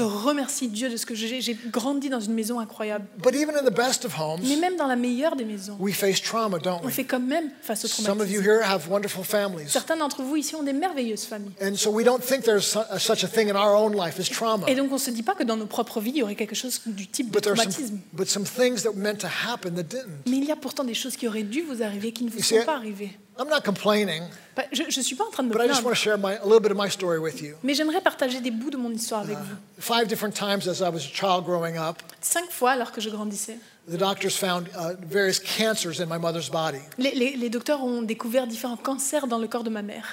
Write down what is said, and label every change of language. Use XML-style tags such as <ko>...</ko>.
<fr>Je remercie Dieu de ce que j'ai grandi dans une maison incroyable.</fr> <en>But even in the best of homes.</en> <fr>Mais même dans la meilleure des maisons.</fr> <en>We face trauma, don't we?</en> <fr>On fait quand même face au traumatisme.</fr> <en>Some of you here have wonderful families.</en> <fr>Certains d'entre vous ici ont des merveilleuses familles.</fr> <en>And so we don't think there's such a thing in our own life as trauma.</en> <fr>Et donc on se dit pas que dans nos propres vies il y aurait quelque chose du type de traumatisme.</fr> <en>But some things that were meant to happen that didn't.</en> <fr>Mais il y a pourtant des choses qui auraient dû vous arriver qui ne vous sont pas arrivées.</fr> <en>I'm not complaining.</en> <fr>Je suis pas en train de me plaindre.</fr> <en>But I just want to share a little bit of my story with you.</en> <fr>Mais j'aimerais partager des bouts de mon histoire avec vous.</fr> <en>Five different times as I was a child growing up.</en> <fr>Cinq fois alors que je grandissais.</fr> <en>The doctors found various cancers in my mother's body.</en> <fr>Les docteurs ont découvert différents cancers dans le corps de ma mère.</fr>